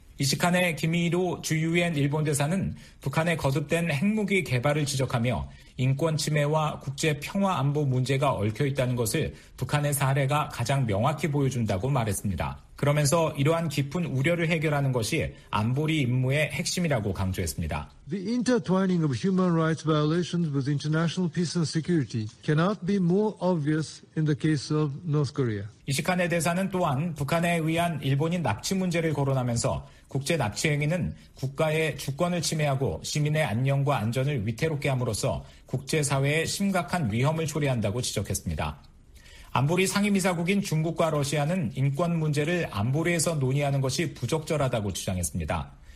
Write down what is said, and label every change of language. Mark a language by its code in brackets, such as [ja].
[ko] 이시카네 김이로 주 유엔 일본 대사는 북한의 거듭된 핵무기 개발을 지적하며 인권 침해와 국제 평화 안보 문제가 얽혀 있다는 것을 북한의 사례가 가장 명확히 보여준다고 말했습니다. 그러면서 이러한 깊은 우려를 해결하는 것이 안보리 임무의 핵심이라고 강조했습니다. [en] The intertwining of human rights violations with international peace and security cannot be more obvious in the case of North Korea. [ko] 이시카네 대사는 또한 북한에 의한 일본인 납치 문제를 거론하면서 국제 납치 행위는 국가의 주권을 침해하고 시민의 안녕과 안전을 위태롭게 함으로써 국제사회에 심각한 위험을 초래한다고 지적했습니다. 안보리 상임이사국인 중국과 러시아는 인권 문제를 안보리에서 논의하는 것이 부적절하다고 주장했습니다.